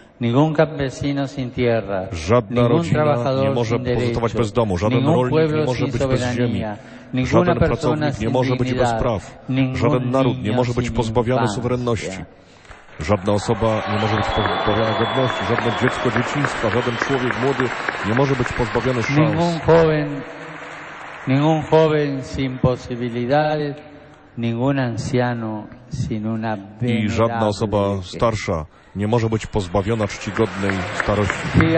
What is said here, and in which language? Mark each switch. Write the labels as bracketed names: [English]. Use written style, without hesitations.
[Spanish] Ningún campesino sin tierra, [Polish] żadna rodzina nie może pozostawać bez domu, żaden rolnik nie może być bez ziemi, żaden pracownik nie może być bez praw, żaden naród nie może być pozbawiony suwerenności, żadna osoba nie może być pozbawiona godności, żadne dziecko dzieciństwa, żaden człowiek młody nie może być pozbawiony szans. [Spanish] Ningún joven sin posibilidades, ningún anciano sin una [Polish] i żadna osoba starsza nie może być pozbawiona czcigodnej starości.